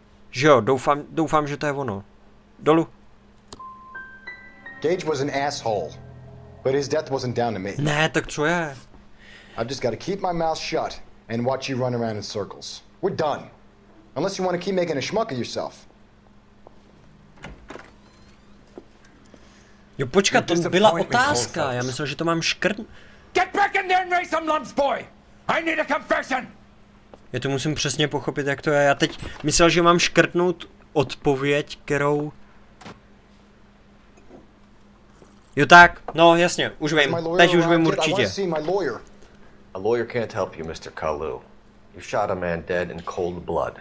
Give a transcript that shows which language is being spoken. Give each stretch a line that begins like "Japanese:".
Czech: Že jo, doufám, že to je ono. Dolu.
English: Gage was an asshole, but his death wasn't down to me.
Czech: Ne, tak co je?
English: I've just got to keep my mouth shut and watch you run around in circles. We're done. Unless you want to keep making a schmuck of yourself.
Czech: Jo, počkat, to byla otázka. Já myslel, že to mám škrt.
English: Get back in there and raise some lumps, boy! I need a confession!
Czech: Já to musím přesně pochopit, jak to je. Já teď myslel, že mám škrtnout odpověď, kterou... Jo tak, no jasně, už vím. Teď už vím určitě.
English: A lawyer can't help you, Mr. Kalu. You shot a man dead in cold blood.